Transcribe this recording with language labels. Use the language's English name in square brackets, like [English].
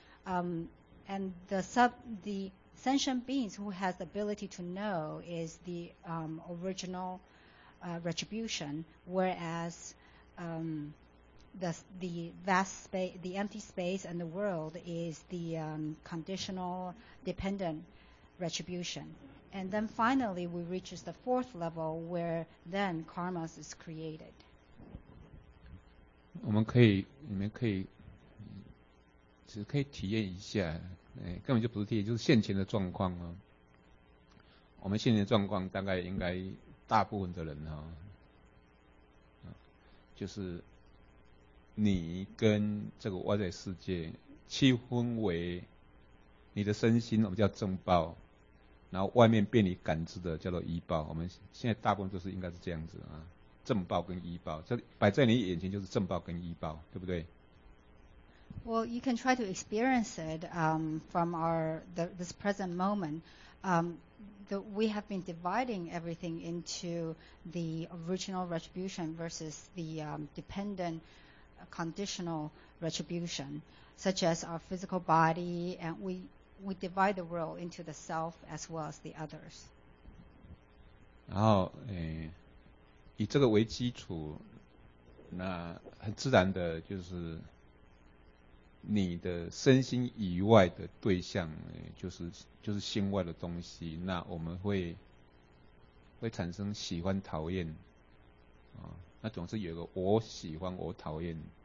[English] And the sentient beings who has the ability to know is the original retribution, whereas the vast space, the empty space, and the world is the conditional dependent retribution. And then finally, we reach the fourth level where then karma is created. [Chinese] 我们可以，你们可以，只可以体验一下，根本就不是体验，就是现前的状况啊。我们现前的状况大概应该大部分的人啊，就是。你跟这个外在世界区分为你的身心，我们叫正报，然后外面被你感知的叫做依报。我们现在大部分都是应该是这样子啊，正报跟依报，这摆在你眼前就是正报跟依报，对不对？ [English] Well, you can try to experience it from this present moment. We have been dividing everything into the original retribution versus the dependent. Conditional retribution, such as our physical body, and we divide the world into the self as well as the others. [Chinese] 然后，以这个为基础，那很自然的就是你的身心以外的对象，就是心外的东西。那我们会产生喜欢、讨厌，那总是有个我喜欢、我讨厌。